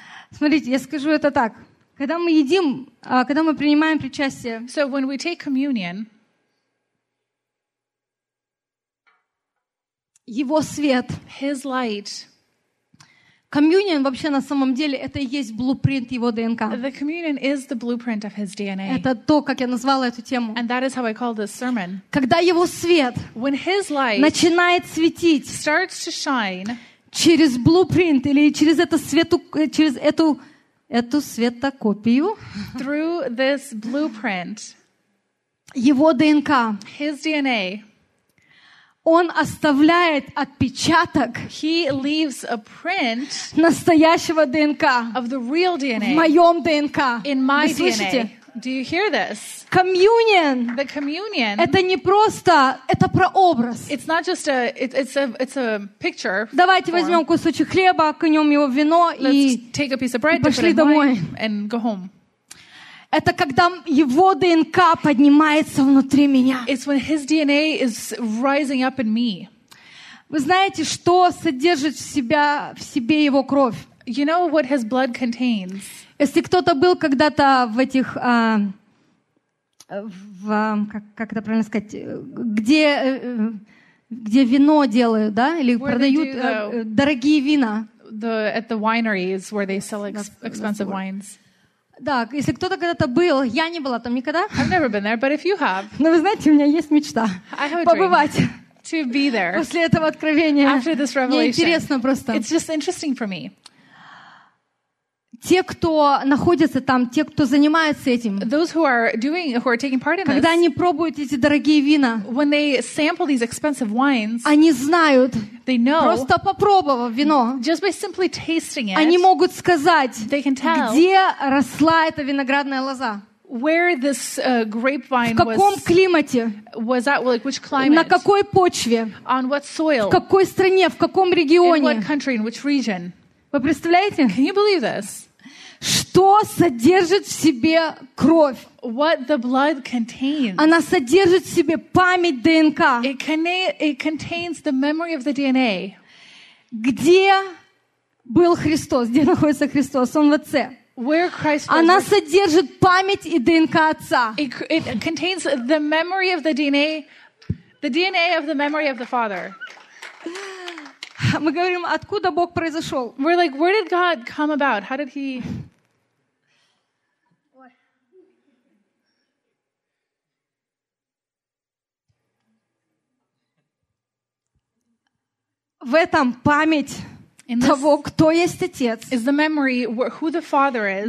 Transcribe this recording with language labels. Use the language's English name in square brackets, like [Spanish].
[Russian] Смотрите, я скажу это так. Когда мы едим, когда мы принимаем причастие, [English] so when we take communion, [Russian] его свет, [English] his light, [Russian] communion вообще на самом деле это и есть блупринт его ДНК. [English] The communion is the blueprint of his DNA. [Russian] Это то, как я назвала эту тему. [English] And that is how I call this sermon. [Russian] Когда его свет, [English] when his light, [Russian] начинает светить, [English] starts to shine, [Russian] через блупринт или через эту свету, через эту эту светокопию. [English] Through this blueprint, [Russian] его ДНК. [English] His DNA. [Russian] Он оставляет отпечаток. [English] He leaves a print [Russian] настоящего ДНК. [English] Of the real DNA. [Russian] В моем ДНК. [English] In my [Russian] DNA. Вы слышите? [English] Do you hear this? Communion. The communion. [Russian] Это не просто, это прообраз. [English] It's not just a, it's a picture. [Russian] Давайте [English] form. [Russian] Возьмем кусочек хлеба, окунем его в вино и, [English] take a piece of bread, [Russian] и пошли домой. [English] And go home. [Russian] Это когда его ДНК поднимается внутри меня. [English] It's when his DNA is rising up in me. [Russian] Вы знаете, что содержит в себе его кровь? [English] You know what his blood contains. [Russian] Если кто-то был когда-то в этих, в, как это правильно сказать, где, где вино делают, да, или [English] where [Russian] продают [English] they do, though, [Russian] дорогие вина. [English] The, at the wineries where they sell expensive wines. [Russian] Да, если кто-то когда-то был, я не была там никогда. [English] I've never been there, but if you have. [Russian] Но вы знаете, у меня есть мечта. [English] I have a [Russian] побывать. [English] To be there. [Russian] После этого откровения. [English] After this revelation. [Russian] Мне интересно просто. [English] It's just interesting for me. [Russian] Те, кто находятся там, те, кто занимается этим, [English] those who are doing, who are taking part in [Russian] когда [English] this, [Russian] они пробуют эти дорогие вина, [English] when they sample these expensive wines, [Russian] они знают, [English] they know, [Russian] просто попробовав вино, [English] just by simply tasting it, [Russian] они могут сказать, [English] they can tell, [Russian] где росла эта виноградная лоза. [English] Where this grapevine [Russian] в каком [English] was, [Russian] климате? [English] Was that, like, which climate? [Russian] На какой почве? [English] On what soil? [Russian] В какой стране, в каком регионе? [English] In what country, in which region? [Russian] Вы представляете? [English] Can you believe this? [Russian] Что содержит в себе кровь? [English] What the blood contains. [Russian] Она содержит в себе память ДНК. [English] It contains the memory of the DNA. [Russian] Где был Христос? Где находится Христос? Он в Отце. [English] Where Christ was. [Russian] Она содержит память и ДНК Отца. [English] It contains the memory of the DNA of the memory of the Father. [Russian] Мы говорим, откуда Бог произошел? [English] We're like, where did God come about? How did he? [Russian] В этом память того, кто есть Отец. [English] Is the memory who the Father is?